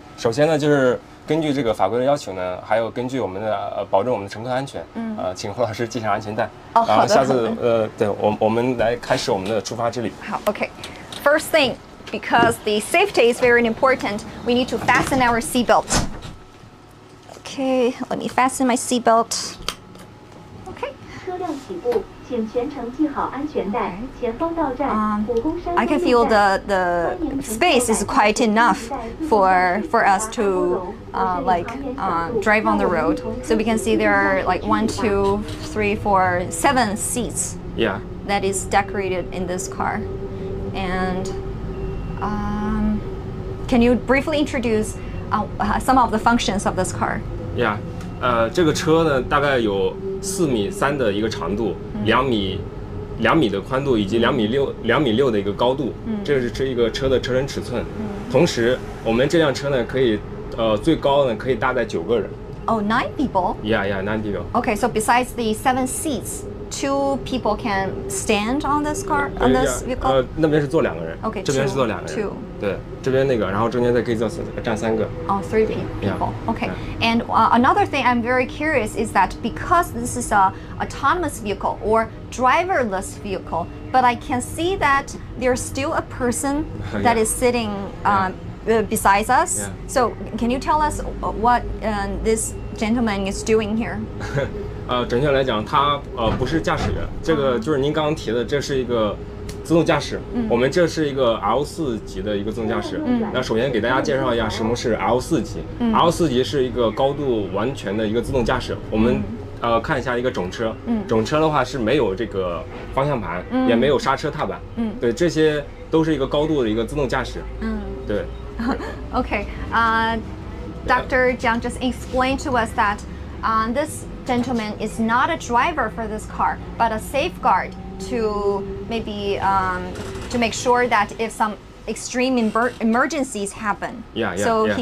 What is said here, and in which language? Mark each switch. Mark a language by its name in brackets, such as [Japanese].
[Chinese] 首先呢，就是根据这个法规的要求呢，还有根据我们的保证我们的乘客安全，请何老师系上安全带。好的。然后下次对我们来开始我们的出发之旅。好 ，Okay. [English] First thing, because the safety is very important, we need to fasten our seatbelt. Okay, let me fasten my seatbelt. Okay. [Chinese] 车辆起步。 [English] I can feel the space is quite enough for us to drive on the road. So we can see there are like 1, 2, 3, 4, 7 seats. Yeah. That is decorated in this car. And can you briefly introduce some of the functions of this car? Yeah. [Chinese] 这个车呢，大概有4.3米的一个长度。两米的宽度以及两米六的一个高度，这是一个车的车身尺寸。同时，我们这辆车呢，可以最高呢可以搭载9个人。 [English] Oh, 9 people. Yeah, 9 people. Okay, so besides the 7 seats, 2 people can stand on this car on this vehicle. [Chinese] 那边是坐2个人。 [English] Okay, [Chinese] 这边是坐两个人。 [English] Two. [Chinese] 对，这边那个，然后中间再可以坐站3个。 [English] Oh, 3 people. Yeah. Okay. And another thing I'm very curious is that because this is a autonomous vehicle or driverless vehicle, but I can see that there's still a person that is sitting. Besides us. Yeah. So can you tell us what this gentleman is doing here? [Chinese] 准确来讲，他不是驾驶员。这个就是您刚刚提的，这是一个自动驾驶。我们这是一个 L4 级的一个自动驾驶。那首先给大家介绍一下什么是 L4 级。 L4 级是一个高度完全的一个自动驾驶。我们看一下一个整车。整车的话是没有这个方向盘，也没有刹车踏板。对，这些都是一个高度的一个自动驾驶。对 [English] okay, Dr. Jiang just explained to us that this gentleman is not a driver for this car, but a safeguard to maybe to make sure that if some extreme emergencies happen, he